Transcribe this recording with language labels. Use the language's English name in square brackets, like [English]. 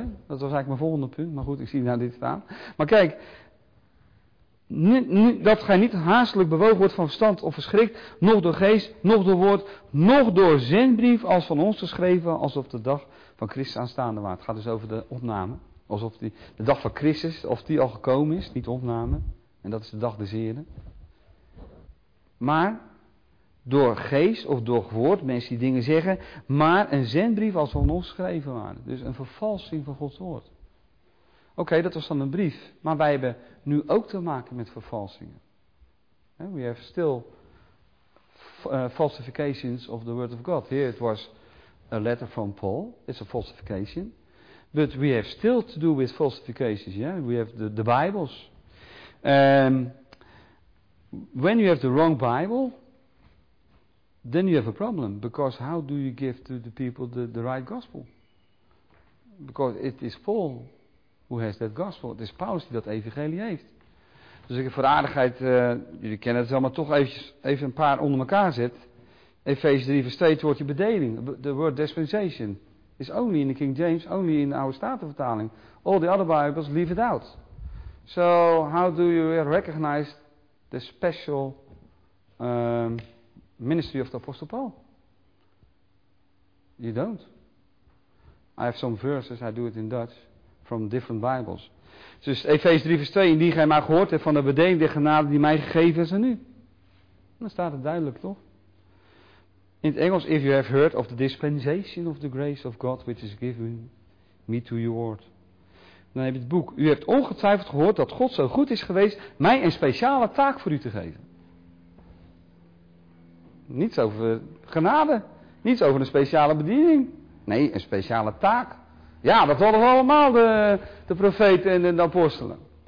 [Dutch] Dat was eigenlijk mijn volgende punt, maar goed, ik zie naar dit staan. Maar kijk, dat gij niet haastelijk bewogen wordt van verstand of verschrikt, nog door geest, nog door woord, nog door zendbrief als van ons geschreven, alsof de dag van Christus aanstaande waard. Het gaat dus over de opname, alsof die, de dag van Christus, of die al gekomen is, niet opname, en dat is de dag des Heren. Maar door geest of door woord, mensen die dingen zeggen, maar een zendbrief als van ons geschreven waren. Dus een vervalsing van Gods woord. Oké, dat was dan een brief. Maar wij hebben nu ook te maken met vervalsingen. [English] We have still falsifications of the word of God. Here it was a letter from Paul. It's a falsification. But we have still to do with falsifications. Yeah? We have the Bibles. When you have the wrong Bible, then you have a problem. Because how do you give to the people the right gospel? Because it is Paul who has that gospel. [Dutch] Het is Paulus die dat evangelie heeft. Dus ik heb voor de aardigheid, jullie kennen het wel, maar toch even een paar onder elkaar zet. Efeze 3, vers 2, het woordje bedeling. [English] The word dispensation is only in the King James, only in de Oude Statenvertaling. All the other Bibles leave it out. So how do you recognize the special ministry of the Apostle Paul? You don't. I have some verses, I do it in Dutch, from different Bibles. [Dutch] Dus Efeze 3 vers 2, indien gij maar gehoord hebt van de bedeling der genade die mij gegeven is aan u. Dan staat het duidelijk, toch? In het Engels, [English] if you have heard of the dispensation of the grace of God which is given me to your word. [Dutch] Dan heb je het boek. U hebt ongetwijfeld gehoord dat God zo goed is geweest mij een speciale taak voor u te geven. Niets over genade. Niets over een speciale bediening. Nee, een speciale taak. Ja, dat hadden we allemaal, de profeten en de apostelen.